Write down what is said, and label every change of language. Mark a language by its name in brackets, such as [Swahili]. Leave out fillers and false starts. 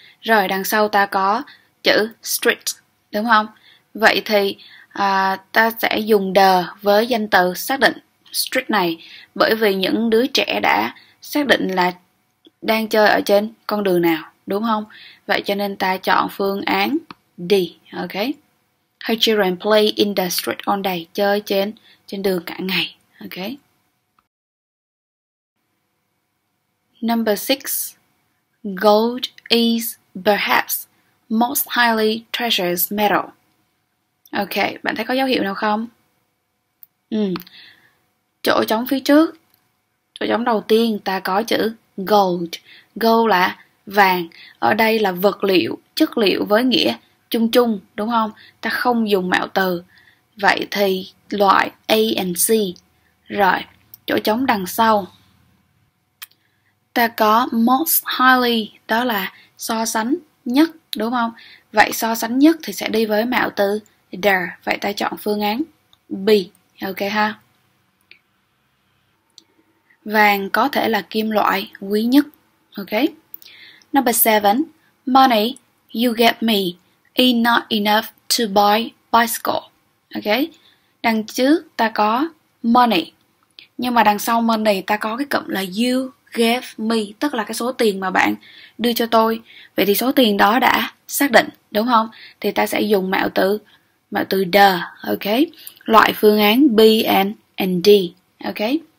[Vietnamese] Rồi đằng sau ta có chữ street, đúng không? Vậy thì ta sẽ dùng the với danh từ xác định street này, bởi vì những đứa trẻ đã xác định là đang chơi ở trên con đường nào, đúng không? Vậy cho nên ta chọn phương án D. Ok. [English] Her children play in the street all day. [Vietnamese] Chơi trên đường cả ngày. Ok. [English] Number 6. Gold is perhaps most highly treasured metal. [Vietnamese] Ok, bạn thấy có dấu hiệu nào không? Chỗ trống phía trước, chỗ trống đầu tiên ta có chữ gold. Gold là vàng. Ở đây là vật liệu, chất liệu với nghĩa chung chung, đúng không? Ta không dùng mạo từ. Vậy thì loại A and C. Rồi, chỗ trống đằng sau ta có most highly, đó là so sánh nhất, đúng không? Vậy so sánh nhất thì sẽ đi với mạo từ the. Vậy ta chọn phương án B. Ok ha. Vàng có thể là kim loại quý nhất. [English] Ok. Number 7. Money you get me is not enough to buy bicycle. Ok. [Vietnamese] Đằng trước ta có money, nhưng mà đằng sau money ta có cái cụm là [English] you gave me, [Vietnamese] tức là cái số tiền mà bạn đưa cho tôi. Vậy thì số tiền đó đã xác định, đúng không? Thì ta sẽ dùng mạo từ the. Ok. Loại phương án B and D. Ok.